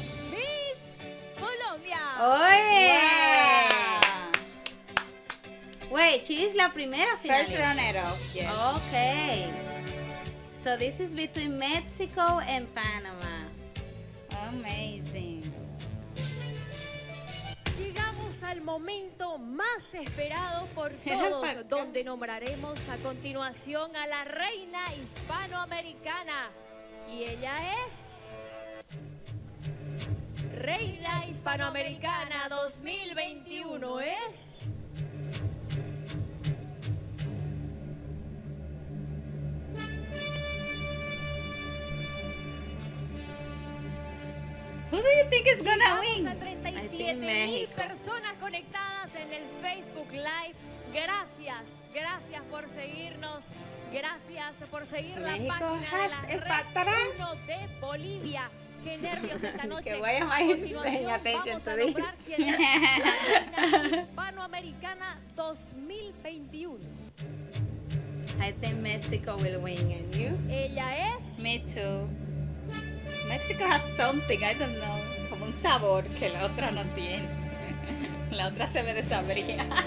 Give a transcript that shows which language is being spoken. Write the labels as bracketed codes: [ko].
[en] Miss Colombia. Oh yeah. Wow. Wait, she is la primera finalista. First runner up. Yes. Okay. So this is between Mexico and Panama. Amazing. [es] Al momento más esperado por todos, donde nombraremos a continuación a la reina hispanoamericana, y ella es Reina Hispanoamericana 2021, es [en] who do you think is gonna win? [es] Mil personas conectadas en el Facebook Live. Gracias por seguirnos. Gracias por seguir México la página de la Red 1 de Bolivia. Qué nervios esta noche. Que vaya más bien. Vamos a nombrar quién es la Hispanoamericana 2021. [en] I think Mexico will win, and you? [es] Ella es. [en] Me too. Mexico has something, I don't know, como un sabor que la otra no tiene. [es] La otra se ve desabrida.